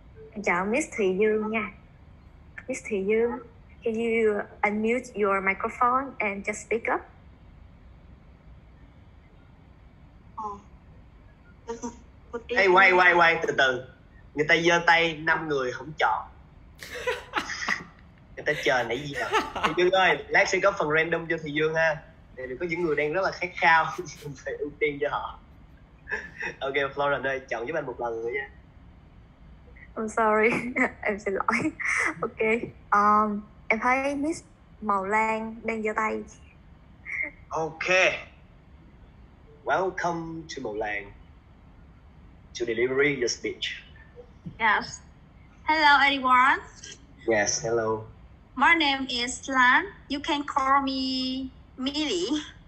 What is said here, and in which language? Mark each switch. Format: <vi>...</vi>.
<vi>Em chào Miss Thùy Dương nha.</vi> <en>Miss Thùy Dương, can you unmute your microphone and just speak up?</en> <vi>Hey, quay, từ. Người ta giơ tay, 5 người không chọn. Người ta chờ nãy giờ. Thùy Dương ơi, lát sẽ có phần random cho Thùy Dương ha. Thì có những người đang rất là khát khao, phải ưu tiên cho họ. Ok, Florence ơi, chọn giúp anh một lần nữa nha.</vi> <en>I'm sorry,</en> <vi>em xin lỗi. Ok, em thấy Miss Màu Lan đang giơ tay. Ok.</vi> <en>Welcome to Màu Lan to deliver your speech. Yes. Hello, everyone. Yes, hello. My name is Lan. You can call me Mili.</en>